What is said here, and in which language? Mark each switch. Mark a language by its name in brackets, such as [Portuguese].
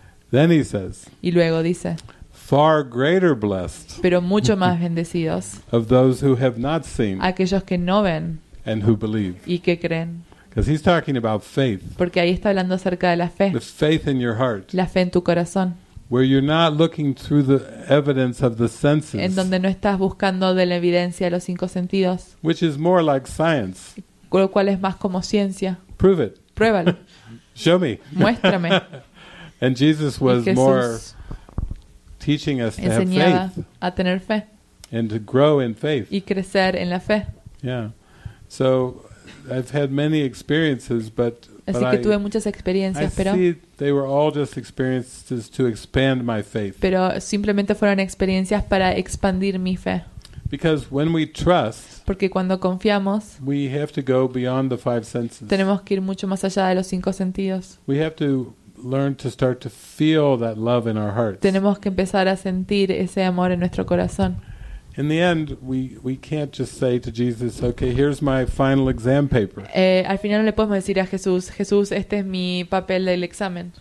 [English] Then he says, [Spanish] y luego dice, [English] far greater blessed, [Spanish] pero mucho más bendecidos, [English] of those who have not seen, [Spanish] aquellos que no ven, [English] and who believe, [Spanish] y que creen. [English] Because he's talking about faith, [Spanish] porque ahí está hablando acerca de la fe, [English] the faith in your heart, [Spanish] la fe en tu corazón. [English] Where you're not looking through the evidence of the senses, [Spanish] en donde no estás buscando de la evidencia de los cinco sentidos, [English] which is more like science, [Spanish] lo cual es más como ciencia. [English] Prove it. [Spanish] Pruébalo. [English] Show me. [Spanish] Muéstrame. [English] And Jesus was more teaching us to have faith, [Spanish] a tener fe, [English] and to grow in faith, [Spanish] y crecer en la fe. [English] Yeah. So I've had many experiences, but [Spanish] así que tuve muchas experiencias, pero [English] they were all just experiences to expand my faith. [Spanish] Pero simplemente fueron experiencias para expandir mi fe. [English] Because when we trust, [Spanish] porque cuando confiamos, [English] we have to go beyond the five senses. [Spanish] Tenemos que ir mucho más allá de los cinco sentidos. [English] We have to learn to start to feel that love in our hearts. [Spanish] Tenemos que empezar a sentir ese amor en nuestro corazón. [English] In the end, we can't just say to Jesus, okay, here's my final exam paper. [Spanish] Al final no le podemos decir a Jesús, Jesús, este es mi papel del examen.